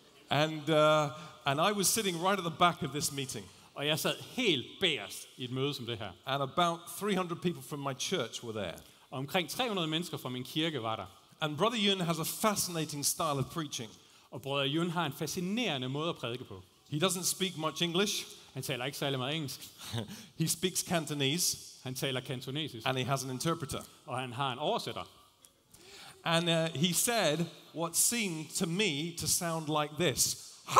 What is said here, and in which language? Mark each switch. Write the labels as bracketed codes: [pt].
[en] And I was sitting right at the back of this meeting. [da] Og jeg sad helt bagerst i et møde som det her. [en] And about 300 people from my church were there. [da] Og omkring 300 mennesker fra min kirke var der. [en] And Brother Yun has a fascinating style of preaching. [da] Og Brother Yun har en fascinerende måde at prædike på. [en] He doesn't speak much English. [da] Han taler ikke særlig meget engelsk. [en] He speaks Cantonese. [da] Han taler kantonesisk. [en] And he has an interpreter. [da] Og han har en oversætter. [en] And he said what seemed to me to sound like this.